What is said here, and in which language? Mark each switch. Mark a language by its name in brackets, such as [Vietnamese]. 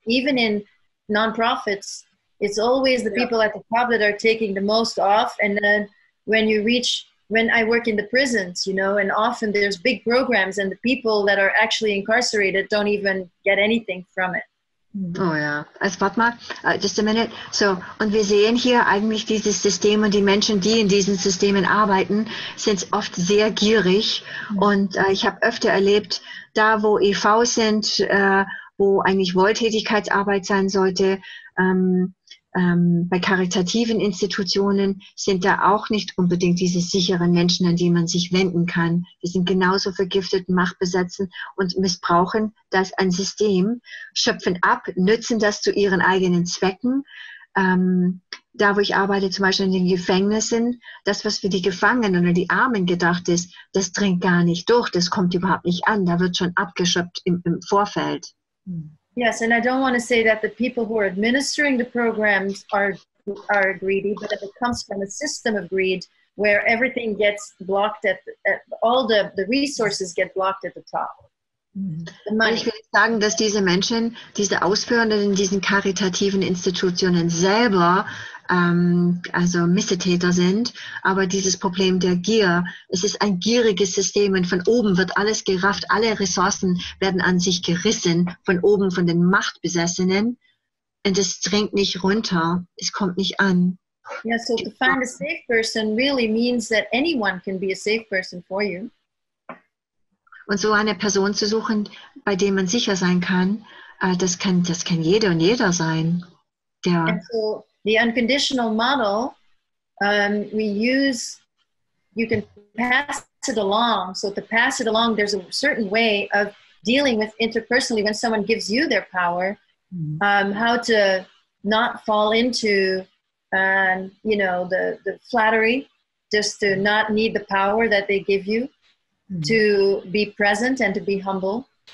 [English] Even in nonprofits, it's always the people at the top that are taking the most off. And then when I work in the prisons, you know, and often there's big programs and the people that are actually incarcerated don't even get anything from it. [German] Oh ja, also warte mal, [English] just a minute. [German] So, und wir sehen hier eigentlich dieses System und die Menschen, die in diesen Systemen arbeiten, sind oft sehr gierig. Und ich habe öfter erlebt, da wo EV sind, wo eigentlich Wohltätigkeitsarbeit sein sollte, bei karitativen Institutionen sind da auch nicht unbedingt diese sicheren Menschen, an die man sich wenden kann. Die sind genauso vergiftet, machtbesetzen und missbrauchen das ein System, schöpfen ab, nützen das zu ihren eigenen Zwecken. Da, wo ich arbeite, zum Beispiel in den Gefängnissen, das, was für die Gefangenen oder die Armen gedacht ist, das dringt gar nicht durch, das kommt überhaupt nicht an. Da wird schon abgeschöpft im Vorfeld. [English] Yes, and I don't want to say that the people who are administering the programs are greedy, but if it comes from a system of greed where everything gets blocked all the resources get blocked at the top. [German] Und ich will sagen, dass diese Menschen, diese Ausführenden in diesen karitativen Institutionen selber Missetäter sind, aber dieses Problem der Gier, es ist ein gieriges System und von oben wird alles gerafft, alle Ressourcen werden an sich gerissen, von oben, von den Machtbesessenen und es dringt nicht runter, es kommt nicht an. [English] Yeah, so to find a safe person really means that anyone can be a safe person for you. [German] Und so eine Person zu suchen, bei der man sicher sein kann, das kann jeder und jeder sein. Der [English] and so the unconditional model, we use, you can pass it along. So to pass it along, there's a certain way of dealing with interpersonally when someone gives you their power, how to not fall into, you know, the flattery, just to not need the power that they give you. To be present and to be humble.